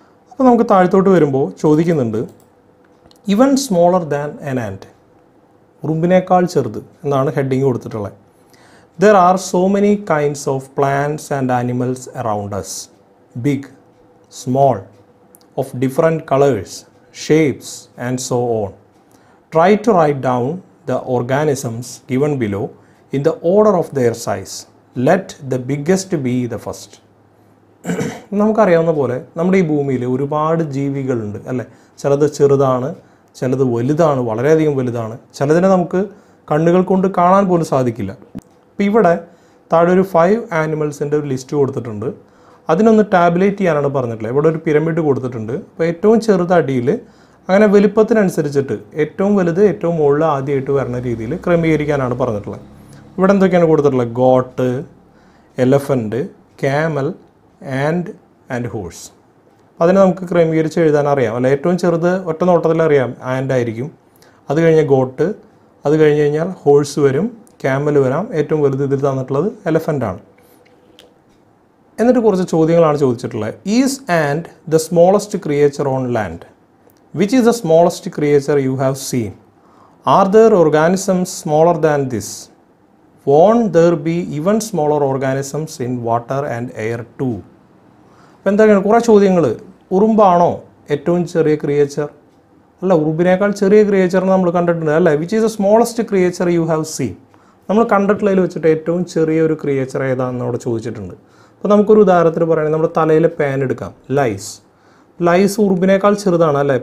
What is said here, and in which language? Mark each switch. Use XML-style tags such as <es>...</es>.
<ml>അപ്പോൾ നമുക്ക് താഴ്ത്തോട്ട് വരുമ്പോൾ ചോദിക്കുന്നുണ്ട്, ഇവൻ</ml> <en>smaller than an ant,</en> <ml>ഉറുമ്പിനേക്കാൾ ചെറുത് എന്നാണ് ഹെഡിങ് കൊടുത്തിട്ടുള്ളത്.</ml> <en>There are so many kinds of plants and animals around us, big small of different colours shapes and so on. Try to write down the organisms given below in the order of their size. Let the biggest be the first.</en> <ml>നമുക്കറിയാവുന്ന പോലെ നമ്മുടെ ഈ ഭൂമിയിൽ ഒരുപാട് ജീവികളുണ്ട് അല്ലേ. ചിലത് ചെറുതാണ്, ചിലത് വലുതാണ്, വളരെയധികം വലുതാണ്, ചിലതിനെ നമുക്ക് കണ്ണുകൾ കൊണ്ട് കാണാൻ പോലും സാധിക്കില്ല. അപ്പോൾ ഇവിടെ താഴെ ഒരു 5 ആനിമൽസിൻ്റെ ഒരു ലിസ്റ്റ് കൊടുത്തിട്ടുണ്ട്. അതിനൊന്ന് ടാബുലേറ്റ് ചെയ്യാനാണ് പറഞ്ഞിട്ടുള്ളത്. ഇവിടെ ഒരു പിരമിഡ് കൊടുത്തിട്ടുണ്ട്. അപ്പോൾ ഏറ്റവും ചെറുത് അടിയിൽ, അങ്ങനെ വലിപ്പത്തിനനുസരിച്ചിട്ട് ഏറ്റവും വലുത് ഏറ്റവും മുകളിൽ ആദ്യമായിട്ട് വരുന്ന രീതിയിൽ ക്രമീകരിക്കാനാണ് പറഞ്ഞിട്ടുള്ളത്. ഇവിടെ എന്തൊക്കെയാണ് കൊടുത്തിട്ടുള്ളത്?</ml> <en>Goat, elephant, camel and horse.</en> <ml>അതിനെ നമുക്ക് ക്രമീകരിച്ച് എഴുതാനറിയാം അല്ലെ. ഏറ്റവും ചെറുത് ഒറ്റ നോട്ടത്തിൽ അറിയാം, ആൻഡ് ആയിരിക്കും. അത് കഴിഞ്ഞ് ഗോട്ട്, അത് കഴിഞ്ഞ് കഴിഞ്ഞാൽ ഹോഴ്സ് വരും, ക്യാമൽ വരാം. ഏറ്റവും വലുത് ഇതിൽ തന്നിട്ടുള്ളത് എലഫൻറ്റാണ്. എന്നിട്ട് കുറച്ച് ചോദ്യങ്ങളാണ് ചോദിച്ചിട്ടുള്ളത്.</ml> <en>Is and the smallest creature on land? Which is the smallest creature you have seen? Are there organisms smaller than this? Won't there be even smaller organisms in water and air too?</en> <ml>അപ്പോൾ എന്തൊക്കെയാണ് കുറേ ചോദ്യങ്ങൾ? ഉറുമ്പാണോ ഏറ്റവും ചെറിയ creature? അല്ല, ഉറുമ്പിനേക്കാൾ ചെറിയ creature നമ്മൾ കണ്ടിട്ടുണ്ട് അല്ലേ.</ml> <en>Which is the smallest creature you have seen?</en> <ml>നമ്മൾ കണ്ടിട്ടുള്ളതിൽ വെച്ചിട്ട് ഏറ്റവും ചെറിയ ഒരു ക്രിയേച്ചർ ഏതാണെന്ന് അവിടെ ചോദിച്ചിട്ടുണ്ട്. അപ്പോൾ നമുക്കൊരു ഉദാഹരണത്തിന് പറയുകയാണെങ്കിൽ നമ്മുടെ തലയിൽ പാൻ എടുക്കാം, ലൈസ്. ലൈസ് ഉറുമ്പിനേക്കാൾ ചെറുതാണ് അല്ലേ.</ml>